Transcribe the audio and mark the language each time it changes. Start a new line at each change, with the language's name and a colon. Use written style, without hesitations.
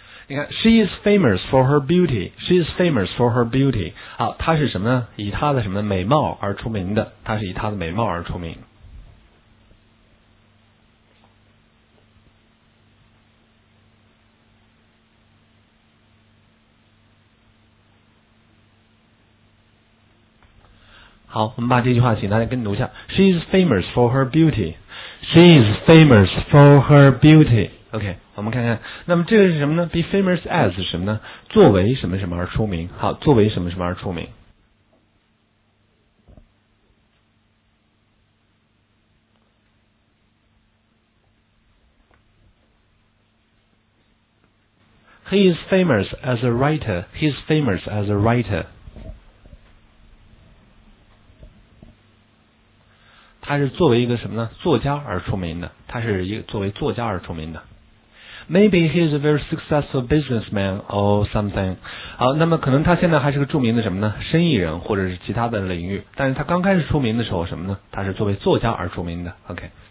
Chinese: 你看
English: ，she is famous for her beauty. She is famous for her beauty.
Chinese: 好，她是什么呢？以她的什么美貌而出名的？她是以她的美貌而出名。好，我们把这句话请大家跟读一下。
English: She is famous for her beauty. She is famous for her beauty.
Chinese: OK， 我们看看，那么这个是什么呢 ？
English: Be famous as
Chinese: 是什么呢？作为什么什么而出名。好，作为什么什么而出名。
English: He is famous as a writer. He is famous as a writer.
Chinese: 他是作为一个什么呢？作家而出名的。他是一个作为作家而出名的。
English: Maybe he is a very successful businessman or something.
Chinese: 好，那么可能他现在还是个著名的什么呢？生意人或者是其他的领域。但是他刚开始出名的时候什么呢？他是作为作家而出名的。
English: OK。